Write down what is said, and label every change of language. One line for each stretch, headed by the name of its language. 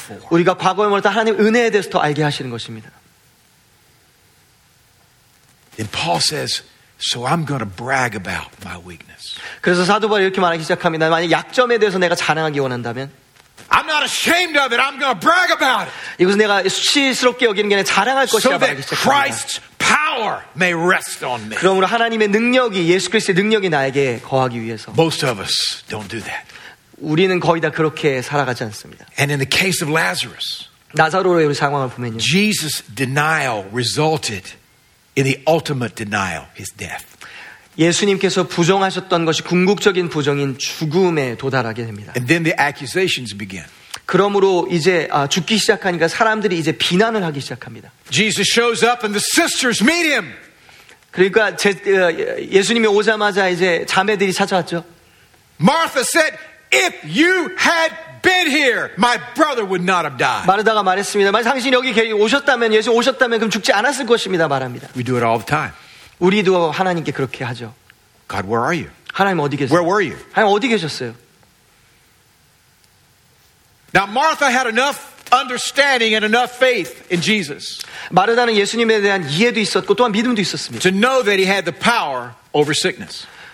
Korean: 우리가 과거에 몰랐던 하나님의 은혜에 대해서 더 알게 하시는 것입니다.
English: And Paul says, so I'm going to brag about my weakness.
Korean: 그래서 사도 바울이 이렇게 말하기 시작합니다. 만약 약점에 대해서 내가 자랑하기 원한다면
English: I'm not ashamed of it. I'm going to brag about it.
Korean: 이것은 내가 수치스럽게 여기는 게 아니라 자랑할 것이라 말하기 시작합니다.
English: So that Christ's power may rest on me.
Korean: 그러므로 하나님의 능력이 예수 그리스도의 능력이 나에게 거하기 위해서.
English: Most of us don't do that.
Korean: 우리는 거의 다 그렇게 살아가지 않습니다.
English: And in the case of Lazarus,
Korean: 나사로의 상황을 보면요.
English: Jesus' denial resulted in the ultimate denial, his death.
Korean: 예수님께서 부정하셨던 것이 궁극적인 부정인 죽음에 도달하게 됩니다.
English: And then the accusations begin.
Korean: 그러므로 이제 죽기 시작하니까 사람들이 이제 비난을 하기 시작합니다.
English: Jesus shows up and the sisters meet him.
Korean: 그러니까 예수님이 오자마자 이제 자매들이 찾아왔죠.
English: Martha said, "If you had been here, my brother would not have died."
Korean: 마르다가 말했습니다. 만약 당신이 여기 오셨다면 예수 오셨다면 그럼 죽지 않았을 것입니다. 말합니다.
English: We do it all the time.
Korean: 우리도 하나님께 그렇게 하죠.
English: God, where are you?
Korean: 하나님 어디 계세요?
English: Where were you?
Korean: 하나님 어디 계셨어요?
English: Now Martha had enough understanding and enough faith in Jesus.
Korean: 마르다는 예수님에 대한 이해도 있었고 또한 믿음도 있었습니다.
English: To know that he had the power over sickness.